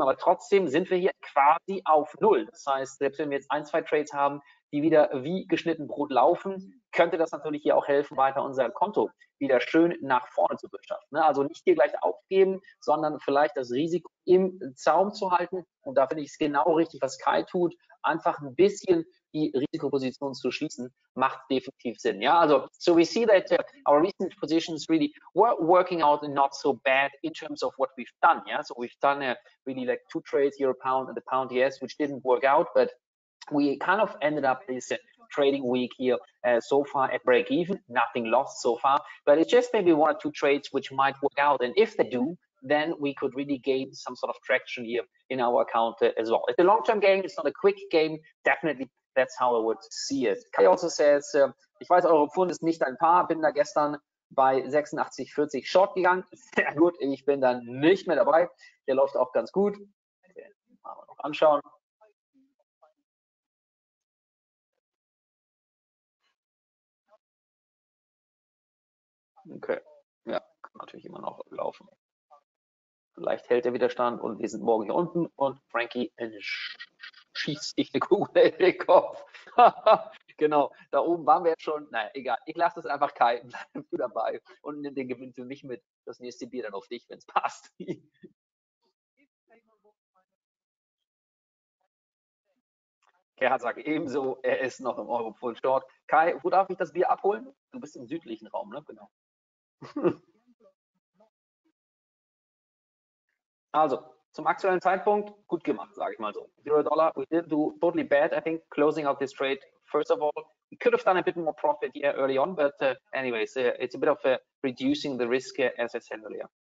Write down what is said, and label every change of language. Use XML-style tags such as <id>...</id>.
<de>Aber trotzdem sind wir hier quasi auf Null. Das heißt, selbst wenn wir jetzt ein, zwei Trades haben, die wieder wie geschnitten Brot laufen, könnte das natürlich hier auch helfen, weiter unser Konto wieder schön nach vorne zu wirtschaften. Also nicht hier gleich aufgeben, sondern vielleicht das Risiko im Zaum zu halten. Und da finde ich es genau richtig, was Kai tut. Einfach ein bisschen die Risikoposition zu schließen, macht definitiv Sinn. Ja, also,</de> <en>so we see that our recent positions really were working out not so bad in terms of what we've done. Yeah? So we've done really like two trades, Euro Pound and the Pound ES, which didn't work out, but we kind of ended up this trading week here so far at break even, nothing lost so far, but it's just maybe one or two trades which might work out, and if they do, then we could really gain some sort of traction here in our account as well. It's a long-term game, it's not a quick game, definitely that's how I would see it. Kai also says,</en> <de>ich weiß, eure Pfund ist nicht ein Paar, bin da gestern bei 86,40 short gegangen, sehr gut, ich bin dann nicht mehr dabei, der läuft auch ganz gut, mal noch anschauen. Okay, ja, kann natürlich immer noch laufen. Vielleicht hält der Widerstand und wir sind morgen hier unten und Frankie schießt sich eine Kugel in den Kopf. Genau, da oben waren wir jetzt schon. Naja, egal, ich lasse das einfach Kai dabei und nimm den Gewinn für mich mit. Das nächste Bier dann auf dich, wenn es passt. Gerhard sagt ebenso, er ist noch im Euro-Pfund Short. Kai, wo darf ich das Bier abholen? Du bist im südlichen Raum, ne? Genau. Also, zum aktuellen Zeitpunkt, gut gemacht, sage ich mal so.</de> <en>Euro Dollar, we didn't do totally bad, I think, closing out this trade, first of all. We could have done a bit more profit here early on, but anyways, it's a bit of reducing the risk, as I said earlier.</en>